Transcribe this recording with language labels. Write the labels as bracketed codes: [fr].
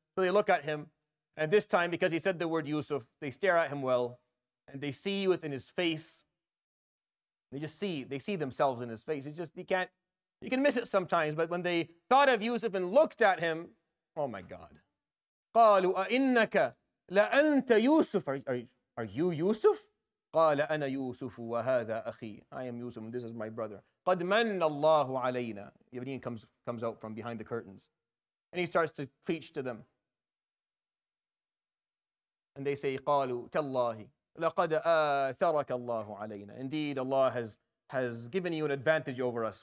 [en] So they look at him, and this time, because he said the word Yusuf, they stare at him well, and they see within his face, they see themselves in his face. It's just, you can miss it sometimes, but when they thought of Yusuf and looked at him, oh my God. [ar] قَالُوا أَإِنَّكَ لَأَنْتَ يُوسُفَ [en] Are you Yusuf? [ar] قَالَ أَنَا يُوسُفُ وَهَذَا أَخِي [en] I am Yusuf, and this is my brother. [ar] قَدْ مَنَّ اللَّهُ عَلَيْنَا [en] Ibn comes out from behind the curtains. And he starts to preach to them. And they say, [ar] قَالُوا تَاللَّهِ لَقَدْ آثَرَكَ اللَّهُ عَلَيْنَا [en] Indeed, Allah has given you an advantage over us.